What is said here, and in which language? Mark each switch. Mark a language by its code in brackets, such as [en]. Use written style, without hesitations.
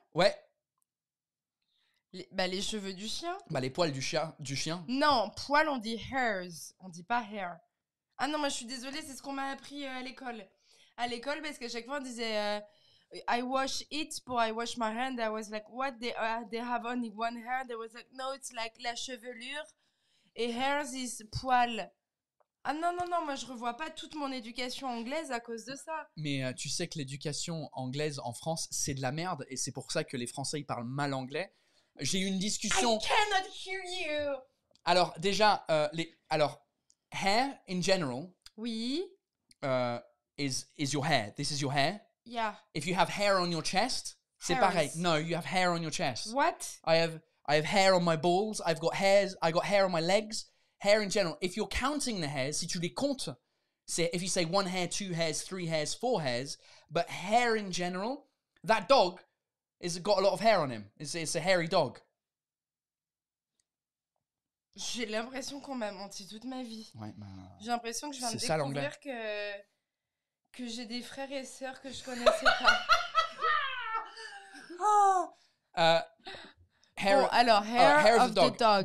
[fr] Ouais. Les cheveux du chien. Bah, les poils du chien. Non, poils, on dit hairs, on dit pas hair. Ah non, moi, je suis désolée, c'est ce qu'on m'a appris à l'école. À l'école, parce qu'à chaque fois, on disait [en] I wash it [fr] pour [en] I wash my hand. I was like, what, they have only one hair? They was like, no, it's like [fr] la chevelure. Et hairs is poils. Ah non, moi, je revois pas toute mon éducation anglaise à cause de ça. Mais tu sais que l'éducation anglaise en France, c'est de la merde. Et c'est pour ça que les Français, ils parlent mal anglais. J'ai eu une discussion. [en] I cannot hear you. [fr] Alors déjà, [en] hair in general. [fr] Oui. [en] Is your hair? This is your hair. Yeah. If you have hair on your chest, hairs. [fr] C'est pareil. [en] No, you have hair on your chest. What? I have hair on my balls. I've got hairs. I got hair on my legs. Hair in general. If you're counting the hairs, [fr] si tu les comptes, c'est [en] if you say one hair, two hairs, three hairs, four hairs, but hair in general, that dog. It's got a lot of hair on him. It's a hairy dog. [fr] J'ai l'impression qu'on m'a menti toute ma vie. Ouais, bah, j'ai l'impression que je viens de découvrir que j'ai des frères et sœurs que je connaissais pas. [en] Oh. Hair, [fr] bon, alors, [en] hair of the dog. The dog.